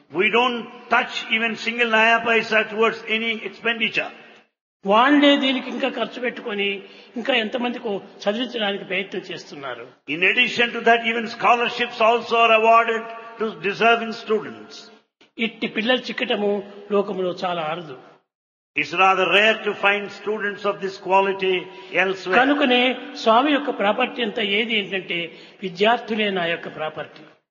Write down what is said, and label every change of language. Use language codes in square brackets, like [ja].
[en] We don't touch even single naya paisa towards any expenditure. [te] వాళ్లే దీనికి ఇంకా ఖర్చు పెట్టుకుని ఇంకా ఎంతమందికి చదివించడానికి ప్రయత్నం చేస్తున్నారు. [en] In addition to that even scholarships also are awarded to deserving students. [te] ఇట్టి పిల్లలు చిక్కటము లోకంలో చాలా అరుదు. [en] It's rather rare to find students of this quality elsewhere. [te] కనుకనే స్వామి యొక్క ప్రాపర్టీ అంతా ఏది ఏంటంటే విద్యార్థులే నా యొక్క ప్రాపర్టీ.